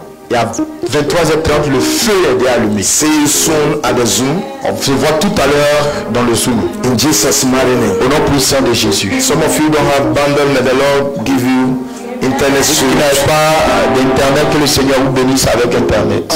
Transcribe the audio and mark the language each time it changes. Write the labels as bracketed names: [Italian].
[French] Et à 23h30 le feu est déjà allumé. [English] See you soon at the Zoom. [French] On se voit tout à l'heure dans le Zoom. [English] In Jesus' mighty name. [French] Au nom puissant de Jésus. [English] Some of you don't have bundle, may the Lord give you internet. [French] Vous qui n'avez pas d'internet, que le Seigneur vous bénisse avec internet.